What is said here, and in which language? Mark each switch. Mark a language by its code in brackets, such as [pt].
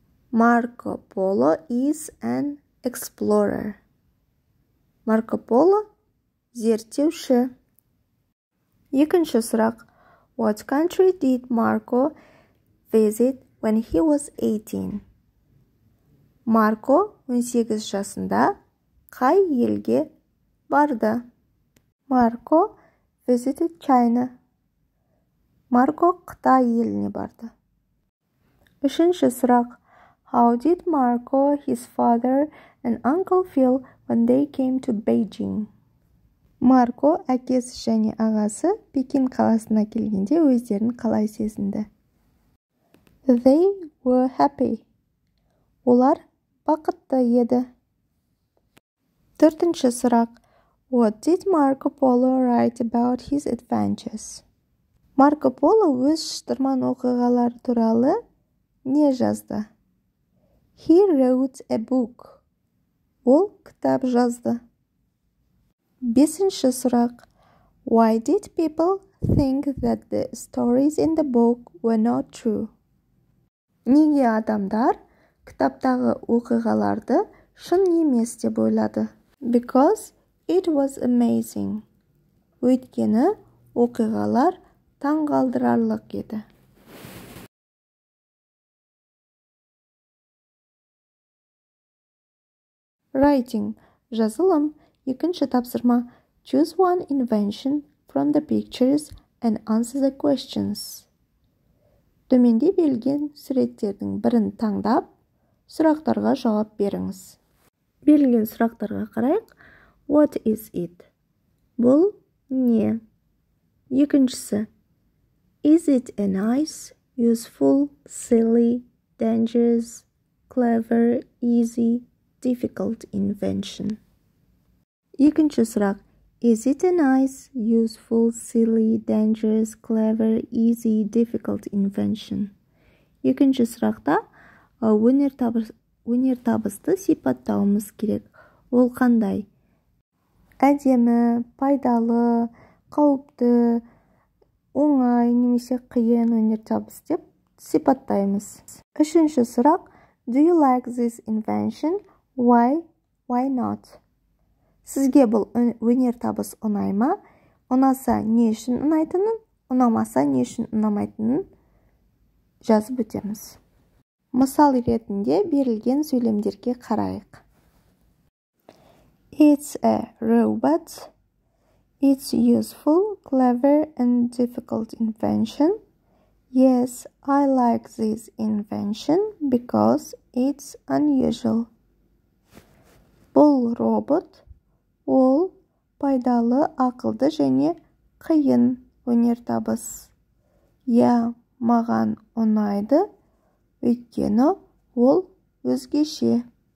[en] Marco Polo is an explorer. [kk] Marco Polo зерттеуші. Екінші сұрақ. [en] What country did Marco visit when he was 18? [kk] Marco 18 жасында қай елге барды? [en] Marco visited China. [kk] Marco Қытай еліне барды. Үшінші сұрақ. [en] How did Marco, his father and uncle feel when they came to Beijing? [kk] Марко әкесі және ағасы Пекин қаласына келгенде өздерін қалай сезінді? [en] They were happy. [kk] Олар бақытты еді. Төртінші сұрақ. [en] What did Marco Polo write about his adventures? [kk] Марко Поло өз шытырман оқиғалар туралы не жазды? [en] He wrote a book. [kk] Ол кітап жазды. Бесінші сұрақ. [en] Why did people think that the stories in the book were not true? [kk] Неге адамдар кітаптағы оқиғаларды шын емес деп ойлады? [en] Because it was amazing. [kk] Өйткені оқиғалар таңғалдырарлық еді. [en] Writing. [kk] Жазылым. Екінші тапсырма. [en] Choose one invention from the pictures and answer the questions. [kk] Төменде берілген суреттердің бірін таңдап, сұрақтарға жауап беріңіз. Берілген сұрақтарға қарайық. [en] What is it? [kk] Бұл не? Екіншісі. [en] Is it a nice, useful, silly, dangerous, clever, easy, difficult invention? [kk] Екінші сұрақ. [en] Is it a nice, useful, silly, dangerous, clever, easy, difficult invention? [kk] Екінші сұрақта өнертабысты сипаттауымыз керек. Ол қандай? Әдемі, пайдалы, қауіпті, оңай немесе қиын өнертабыс деп сипаттаймыз. Үшінші сұрақ. [en] Do you like this invention? Why? Why not? [kk] Сізге бұл өнертабыс ұнай ма? Ұнаса не үшін ұнайтынын, ұнамаса не үшін ұнамайтынын жазып өтеміз. Мысал ретінде берілген сөйлемдерге қарайық. [en] It's a robot. It's useful, clever and difficult invention. Yes, I like this invention because it's unusual. [kk] Бұл робот. Ол пайдалы, ақылды және қиын өнертабыс. Маған ұнайды, өйткені ол өзгеше.